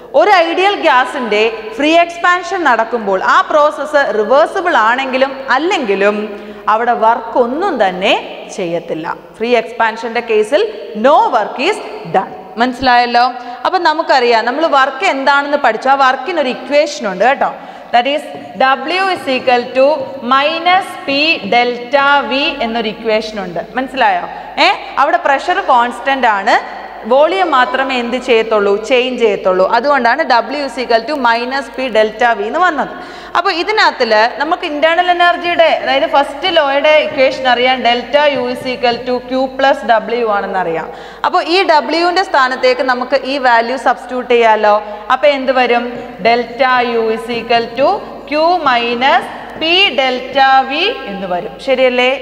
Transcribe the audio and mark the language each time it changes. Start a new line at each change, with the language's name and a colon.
Malayalam: ഒരു ഐഡിയൽ ഗ്യാസിൻ്റെ free expansion നടക്കുമ്പോൾ ആ പ്രോസസ്സ് റിവേഴ്സിബിൾ ആണെങ്കിലും അല്ലെങ്കിലും അവിടെ വർക്കൊന്നും തന്നെ ചെയ്യത്തില്ല. ഫ്രീ എക്സ്പാൻഷൻ്റെ കേസിൽ
English: No work is done.
Malayalam: മനസ്സിലായല്ലോ. അപ്പം നമുക്കറിയാം നമ്മൾ വർക്ക് എന്താണെന്ന് പഠിച്ചു. ആ വർക്കിനൊരു ഇക്വേഷൻ ഉണ്ട് കേട്ടോ.
English: That is W is equal to minus P delta V
Malayalam: എന്നൊരു ഇക്വേഷൻ ഉണ്ട്. മനസ്സിലായോ? അവിടെ പ്രഷർ കോൺസ്റ്റൻ്റ് ആണ്, വോളിയം മാത്രമേ എന്ത് ചെയ്യത്തുള്ളൂ? ചേഞ്ച് ചെയ്യത്തുള്ളൂ. അതുകൊണ്ടാണ്
English: W is equal to minus P delta V
Malayalam: എന്ന് വന്നത്. അപ്പോൾ ഇതിനകത്തിൽ നമുക്ക് ഇൻറ്റേർണൽ എനർജിയുടെ, അതായത് ഫസ്റ്റ് ലോയുടെ ഇക്വേഷൻ അറിയാം.
English: delta U is equal to Q plus W
Malayalam: ആണെന്നറിയാം. അപ്പോൾ ഈ ഡബ്ല്യുവിൻ്റെ സ്ഥാനത്തേക്ക് നമുക്ക് ഈ വാല്യൂ സബ്സ്റ്റിറ്റ്യൂട്ട് ചെയ്യാമല്ലോ. അപ്പോൾ എന്ത് വരും?
English: delta U is equal to Q minus P delta V
Malayalam: എന്ന് വരും. ശരിയല്ലേ?